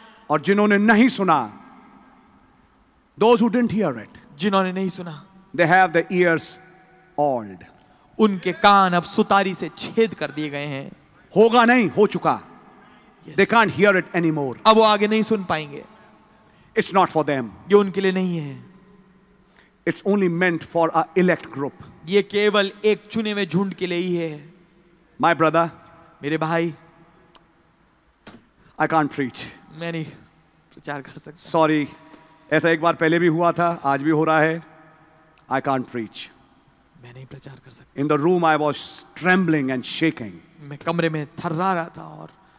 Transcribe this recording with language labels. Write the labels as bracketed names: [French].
[Hindi] और जिन्होंने नहीं सुना [English] those who didn't hear it [Hindi] जिन्होंने नहीं सुना [English] they have the ears awed [Hindi] उनके कान अब सुतारी से छेद कर दिए गए हैं होगा नहीं हो चुका Yes. [English] They can't hear it anymore. [Hindi] अब वो आगे नहीं सुन पाएंगे. [English] It's not for them. [Hindi] ये उनके लिए नहीं है. [English] It's only meant for a elect group. [Hindi] ये केवल एक चुने हुए झुंड के लिए ही है. [English] My brother. [Hindi] मेरे भाई. [English] I can't preach. [Hindi] मैं नहीं प्रचार कर सकता. [English] Sorry. [Hindi] ऐसा एक बार पहले भी हुआ था. आज भी हो रहा है. [English] I can't preach. [Hindi] मैं नहीं प्रचार कर सकता. [English] In the room, I was trembling and shaking. [Hindi] मैं कमरे में थर्रा रहा था और